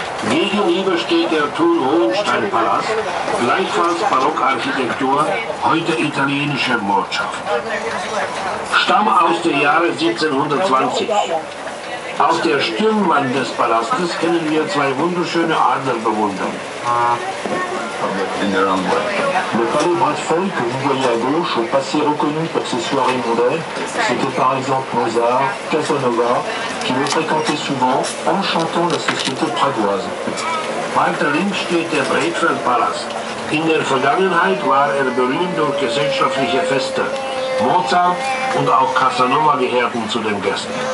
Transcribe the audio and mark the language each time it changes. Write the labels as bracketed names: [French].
[German] Gegenüber steht der Thun-Hohenstein-Palast, gleichfalls Barockarchitektur, heute italienische Botschaft. Stamm aus dem Jahre 1720. Auf der Stirnwand des Palastes können wir 2 wunderschöne Adler bewundern. [French] Le palais Bradfeuille que vous voyez à gauche, au passé reconnu pour ses soirées mondaines, c'était par exemple Mozart, Casanova, qui le fréquentait souvent en chantant la société pragoise. [German] Weiter links steht der Bradfeuille Palace. In der Vergangenheit war berühmt durch gesellschaftliche Feste. Mozart und auch Casanova gehörten zu den Gästen.